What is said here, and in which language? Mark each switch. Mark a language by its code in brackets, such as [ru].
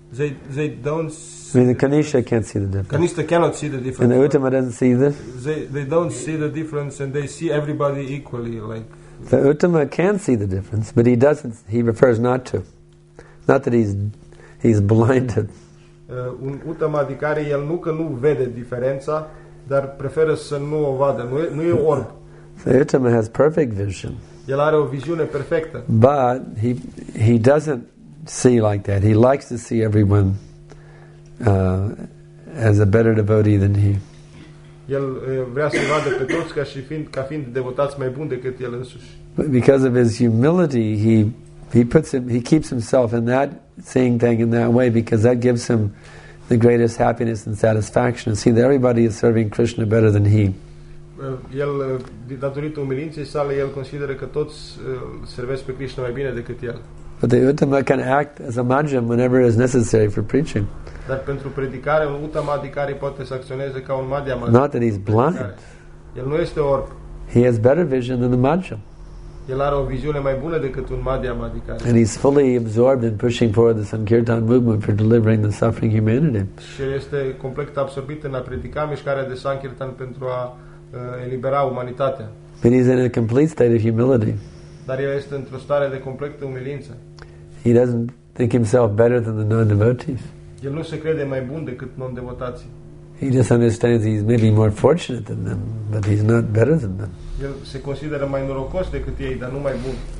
[en] They don't see. I mean, the Kanishta can't see the difference. Kanishta cannot see the difference. And the Uttama doesn't see this? They don't see the difference, and they see everybody equally. Like the Uttama can see the difference, but he doesn't. He prefers not to. Not that he's blinded. [ro] un Uttama adhikari, el nu că nu vede diferența, dar preferă să nu o vadă. Nu e orb. [en] The Uttama has perfect vision. [ro] El are o viziune perfectă. [en] But he doesn't see like that. He likes to see everyone as a better devotee than he. [ro] El vrea să vadă pe toți ca și fiind, ca fiind devotați mai buni decât el însuși. [en] But because of his humility, he keeps himself in that seeing thing in that way, because that gives him the greatest happiness and satisfaction. And see that everybody is serving Krishna better than he. [ro] El, datorită umilinței sale, el consideră că toți servesc pe Krishna mai bine decât el. [en] But the Uttama can act as a madhyam whenever it is necessary for preaching. [ro] Dar pentru predicare, un Uttama adhikari poate să acționeze ca un madhyam. [en] Not that he's blind. [ro] El nu este orb. [en] He has better vision than the madhyam. [ro] El are o viziune mai bună decât un madhyam adhikari. [en] And he's fully absorbed in pushing forward the Sankirtan movement for delivering the suffering humanity. [ro] Și este complet absorbit în a predica mișcarea de Sankirtan pentru a elibera umanitatea. [en] But he's in a complete state of humility. [ro] Dar el este într-o stare de completă umilință. [en] He doesn't think himself better than the non-devotees. [ro] El nu se crede mai bun decât non-devotații. [en] He just understands he's maybe more fortunate than them, but he's not better than them. [ro] El se consideră mai norocos decât ei, dar nu mai bun.